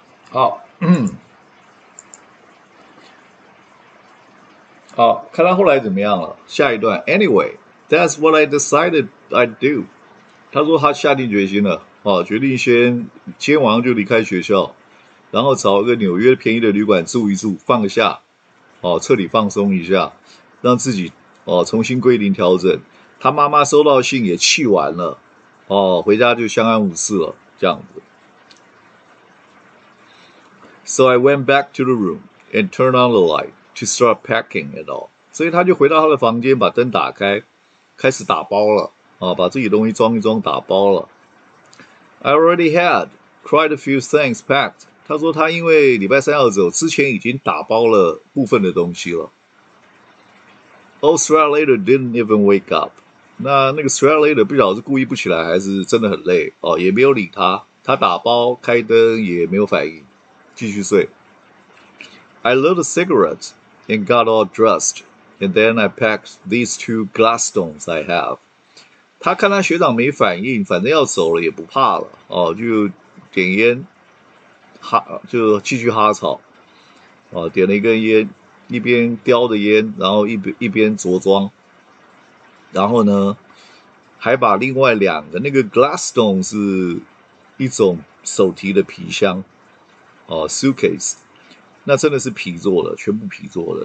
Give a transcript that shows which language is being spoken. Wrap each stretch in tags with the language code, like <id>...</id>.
<zh>好，好，看他后来怎么样了。下一段</zh> <en>，Anyway, that's what I decided I'd do.</en> <zh>他说他下定决心了，啊，决定先今天晚上就离开学校，然后找一个纽约便宜的旅馆住一住，放下，啊，彻底放松一下，让自己哦，啊，重新归零调整。他妈妈收到信也气完了。哦，回家就相安无事了，这样子。</zh> <en>So I went back to the room and turned on the light to start packing it all.</en> <zh>所以他就回到他的房间，把灯打开，开始打包了，啊，把自己东西装一装，打包了。</zh> <en>I already had quite a few things packed.</en> <zh>他说他因为礼拜三要走，之前已经打包了部分的东西了。</zh> <en>Australia didn't even wake up.</en> <zh>那个 Stralita 不晓得是故意不起来还是真的很累，哦，也没有理他，他打包开灯也没有反应，继续睡。</zh> <en>I lit a cigarette and got all dressed, and then I packed these two glass domes I have.</en> <zh>他看他学长没反应，反正要走了也不怕了，哦，就点烟，哈，就继续哈草，哦，点了一根烟，一边叼着烟，然后一边着装。然后呢，还把另外两个那个 glass stone 是一种手提的皮箱，哦 suitcase， 那真的是皮做的，全部皮做的。</zh>